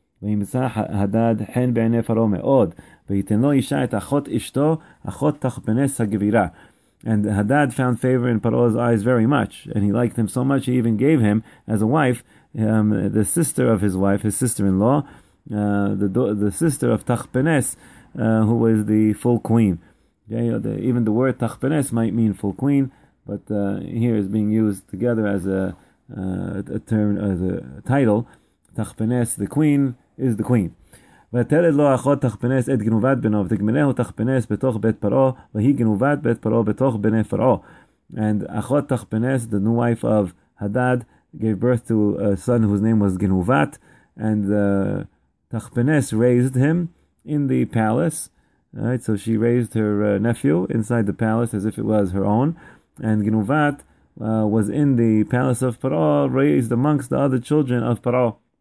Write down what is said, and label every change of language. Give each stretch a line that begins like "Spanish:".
Hebrew: וימצא הדד חן בעיני פרעה מאוד, ויתן לו אישה את אחות אשתו, אחות תחפנס הגבירה.
English: And Hadad found favor in Paroh's eyes very much, and he liked him so much he even gave him as a wife the sister of his wife, his sister-in-law, the sister of Tachpenes, who was the full queen. Yeah, you know, even the word Tachpenes might mean full queen, but here is being used together as a term, as a title. Tachpenes, the queen, is the queen.
Hebrew: ותלד לו אחות תחפנס את גנובת בנו, ותגמלהו תחפנס בתוך בית פרעה, והיא גנובת בית פרעה בתוך בני פרעה.
English: And אחות תחפנס, the new wife of Hadad, gave birth to a son whose name was גנובת, and תחפנס raised him in the palace. Right, so she raised her nephew inside the palace as if it was her own. And Genuvat was in the palace of Paroh, raised amongst the other children of Paroh.